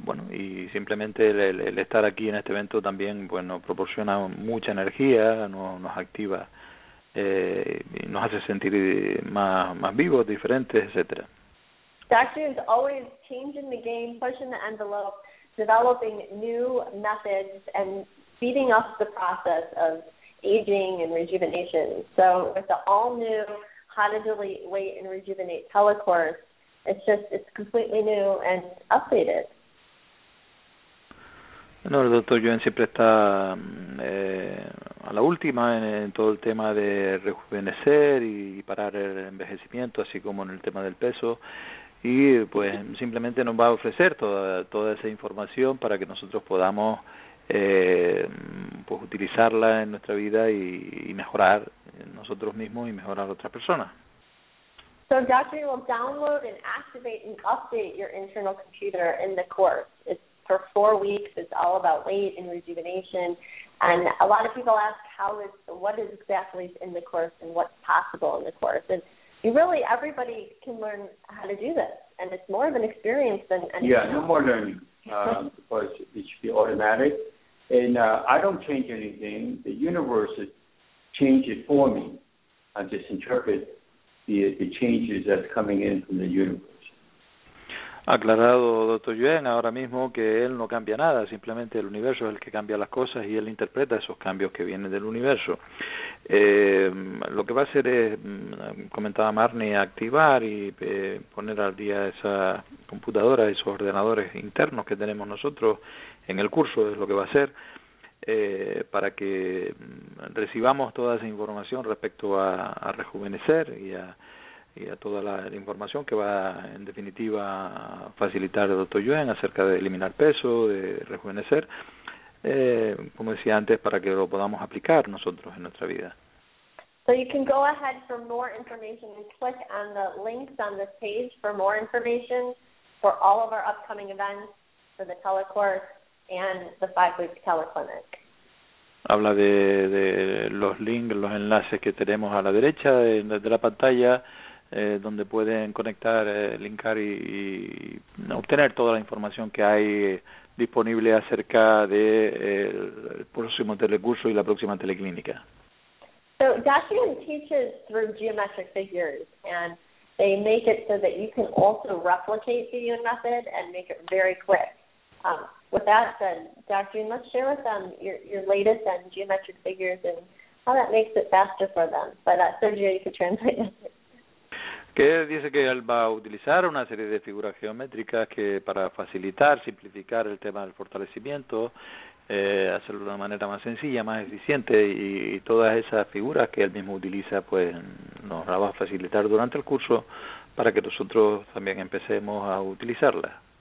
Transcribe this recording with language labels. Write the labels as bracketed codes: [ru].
[es] Y simplemente el estar aquí en este evento también, bueno, proporciona mucha energía, nos activa, y nos hace sentir más vivos, diferentes, etcétera. [en] Dr. Yuen is always changing the game, pushing the envelope, developing new methods and speeding up the process of aging and rejuvenation. So with the all-new How to Delete Weight and Rejuvenate telecourse, it's completely new and updated. [es] Bueno, el Dr. Yuen siempre está a la última en todo el tema de rejuvenecer y parar el envejecimiento, así como en el tema del peso. Y pues simplemente nos va a ofrecer toda esa información para que nosotros podamos pues utilizarla en nuestra vida y mejorar nosotros mismos y mejorar a otras personas. [en] So Dr. Yuen will download and activate and update your internal computer in the course. It's for 4 weeks. It's all about weight and rejuvenation. And a lot of people ask what is exactly in the course and what's possible in the course. And you really, everybody can learn how to do this. And it's more of an experience than anything. Yeah, no more learning. Because it should be automatic. And I don't change anything. The universe changes it for me. I just interpret the changes that's coming in from the universe. [es] Aclarado Dr. Yuen ahora mismo que él no cambia nada, simplemente el universo es el que cambia las cosas y él interpreta esos cambios que vienen del universo. Lo que va a hacer es, comentaba Marnie, activar y poner al día esa computadora, esos ordenadores internos que tenemos nosotros en el curso, es lo que va a hacer, para que recibamos toda esa información respecto a rejuvenecer y a toda la información que va, en definitiva, a facilitar el Dr. Yuen acerca de eliminar peso, de rejuvenecer, como decía antes, para que lo podamos aplicar nosotros en nuestra vida. [en] So you can go ahead for more information and click on the links on this page for more information for all of our upcoming events, for the telecourse and the 5 week teleclinic. [es] Habla de los links, los enlaces que tenemos a la derecha de la pantalla, donde pueden conectar, linkar y obtener toda la información que hay disponible acerca de el próximo telecurso y la próxima teleclínica. [en] So Dashian teaches through geometric figures, and they make it so that you can also replicate the Yun method and make it very quick. With that said, Dashian, let's share with them your latest on geometric figures and how that makes it faster for them. But Sergio, you can translate it. [es] Que dice que él va a utilizar una serie de figuras geométricas que para facilitar, simplificar el tema del fortalecimiento, hacerlo de una manera más sencilla, más eficiente, y todas esas figuras que él mismo utiliza, pues nos las va a facilitar durante el curso para que nosotros también empecemos a utilizarlas.